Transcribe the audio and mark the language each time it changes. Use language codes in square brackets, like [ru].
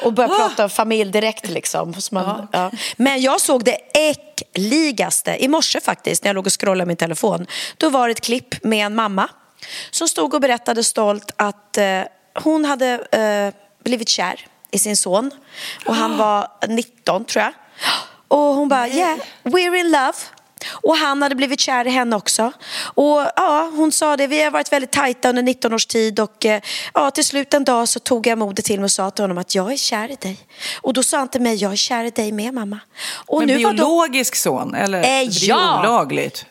[sv] Och börja prata om familj direkt liksom. Men jag såg det äckligaste i morse faktiskt, när jag låg och scrollade min telefon. Då var det ett klipp med en mamma som stod och berättade stolt att hon hade blivit kär i sin son. Och han var 19, tror jag. Och hon bara, [en] yeah, we're in love. [sv] Och han hade blivit kär i henne också. Och ja, hon sa det, vi har varit väldigt tajta under 19 års tid. Och ja, till slut en dag så tog jag modet till mig och sa till honom att jag är kär i dig. Och då sa han till mig, jag är kär i dig med, mamma. Och men nu biologisk var då... son? Eller? Det är olagligt.